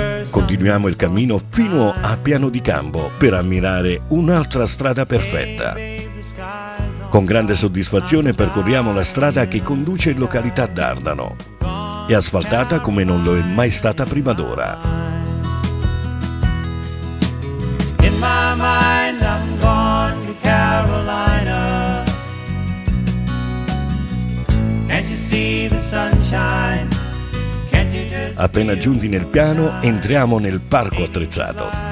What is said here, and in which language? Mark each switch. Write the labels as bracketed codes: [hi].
[it] Continuiamo il cammino fino a Piano di Cambo per ammirare un'altra strada perfetta. Con grande soddisfazione percorriamo la strada che conduce in località Dardano. È asfaltata come non lo è mai stata prima d'ora. [en] In my mind I'm gone to Carolina. Can't you see the sunshine? [it] Appena giunti nel piano, entriamo nel parco attrezzato.